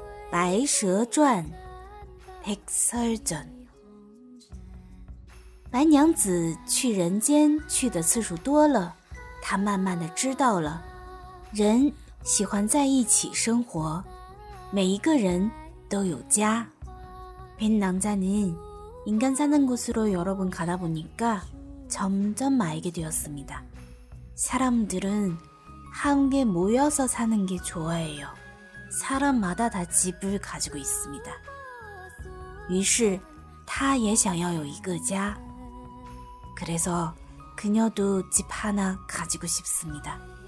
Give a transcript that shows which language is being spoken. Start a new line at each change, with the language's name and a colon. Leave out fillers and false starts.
Chinese: 白蛇传 백설전 白娘子去人间去的次数多了她慢慢的知道了人喜欢在一起生活每一个人都有家
Korean: 白娘子는 인간 사는 곳으로 여러 번 가다 보니까 점점 알게 되었습니다. 사람들은 함께 모여서 사는 게 좋아해요. 사람마다 다 집을 가지고 있습니다.
Chinese: 于是她也想要有一个家。
Korean: 그래서 그녀도 집 하나 가지고 싶습니다.